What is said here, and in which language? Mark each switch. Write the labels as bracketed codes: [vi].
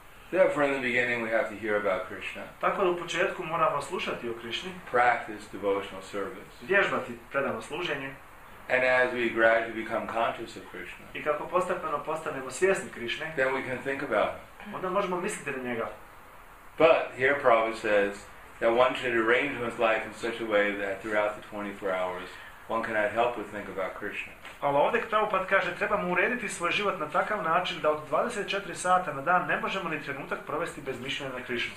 [en] Therefore, in the beginning, we have to hear about Krishna. [bs] Tako da u početku moramo slušati o Krišni. [en] Practice devotional service. [bs] Vježbati predano služenje. [en] And as we gradually become conscious of Krishna. [bs] I kako postepeno postanemo svjesni Krišne. [en] Then we can think about him. [bs] Onda možemo misliti na njega. [en] But here Prabhupada says that one should arrange one's life in such a way that throughout the 24 hours one cannot help but think about Krishna. [bs] Ali ovdje Prabhupada kaže trebamo urediti svoj život na takav način da od 24 sata na dan ne možemo ni trenutak provesti bez mišljenja na Krishnu.